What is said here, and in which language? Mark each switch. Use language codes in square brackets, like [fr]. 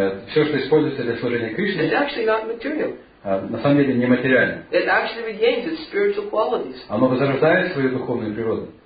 [ru] Все, что используется для служения Кришне. [en] Is actually not material. [ru] на самом деле нематериальным. [en] It actually regains its spiritual qualities. [ru] Оно возрождает свою духовную природу.